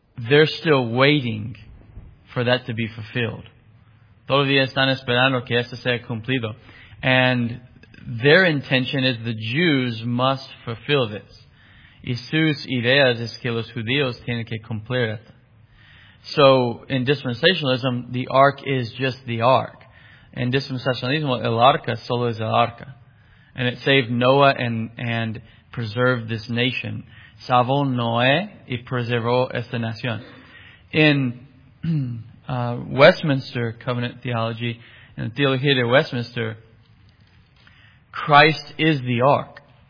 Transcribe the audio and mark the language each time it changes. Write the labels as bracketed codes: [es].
[en] they're still waiting for that to be fulfilled. [es] Todavía están esperando que esto sea cumplido. [en] And their intention is the Jews must fulfill this. [es] Y sus ideas es que los judíos tienen que cumplir esto. [en] So, in dispensationalism, the ark is just the ark. In dispensationalism, [es] el arca solo es el arca. [en] And it saved Noah and preserved this nation. [es] Salvó Noé y preservó esta nación. [en] In Westminster Covenant Theology, in the Theología de Westminster, Christ is the ark.